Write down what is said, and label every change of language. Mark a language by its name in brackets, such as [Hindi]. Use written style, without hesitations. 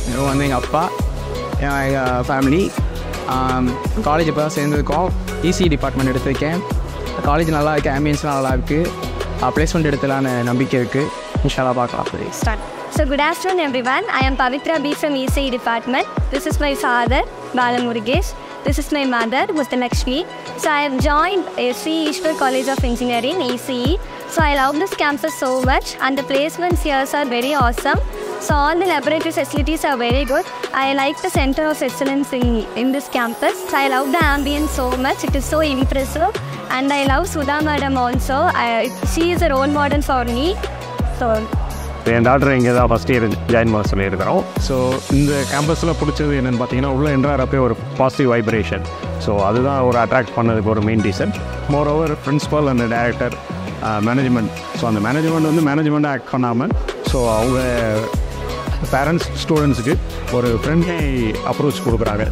[Tamil] இவங்க வந்து எங்கள் அப்பா, எங்கள் ஃபேமிலி. காலேஜ் இப்போ தான் சேர்ந்ததுக்கும் இசி டிபார்ட்மெண்ட் எடுத்திருக்கேன். காலேஜ் நல்லாயிருக்கு, ஆம்பியன்ஸ்லாம் நல்லாயிருக்கு. ப்ளேஸ்மெண்ட் எடுத்துலான்னு நம்பிக்கை இருக்குது. இன்ஷாலா பார்க்கலாம். [English] So good afternoon everyone, I am Pavitra B from ECE department. This is my father Balamurugesh. This is my mother Mr. Lakshmi. So I have joined SECE Eshwar College of Engineering ECE. So I love this campus so much, and the placements here are very awesome. So all the laboratory facilities are very good. I like the center of excellence in this campus. So I love the ambience so much. It is so impressive, and I love Sudha madam also. She is a role model for me. So [Tamil] N doctor இங்கே தான் first year join பண்ண சொல்லியிருக்கிறோம். So இந்த கேம்பஸில் பிடிச்சது என்னென்னு பார்த்தீங்கன்னா, உள்ளே என்ன ஒரு பாசிட்டிவ் வைப்ரேஷன். ஸோ அதுதான் ஒரு அட்ராக்ட் பண்ணதுக்கு ஒரு main reason. More over principal அந்த டைரக்டர் மேனேஜ்மெண்ட். ஸோ அந்த மேனேஜ்மெண்ட் வந்து மேனேஜ்மெண்ட்டை ஆக்ட் பண்ணாமல், ஸோ அவங்க பேரண்ட்ஸ் ஸ்டூடெண்ட்ஸுக்கு ஒரு ஃப்ரெண்ட்லி அப்ரோச் கொடுக்குறாங்க.